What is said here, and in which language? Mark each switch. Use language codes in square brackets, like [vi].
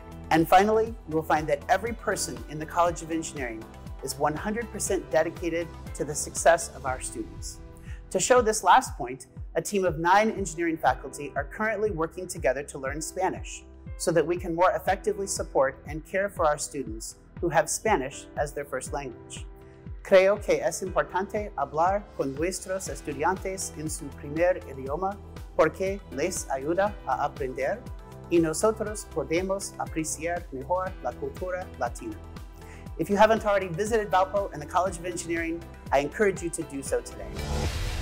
[en] And finally, you will find that every person in the College of Engineering is 100% dedicated to the success of our students. To show this last point, a team of 9 engineering faculty are currently working together to learn Spanish so that we can more effectively support and care for our students who have Spanish as their first language. [es] Creo que es importante hablar con nuestros estudiantes en su primer idioma porque les ayuda a aprender y nosotros podemos apreciar mejor la cultura latina. [en] If you haven't already visited Valpo and the College of Engineering, I encourage you to do so today.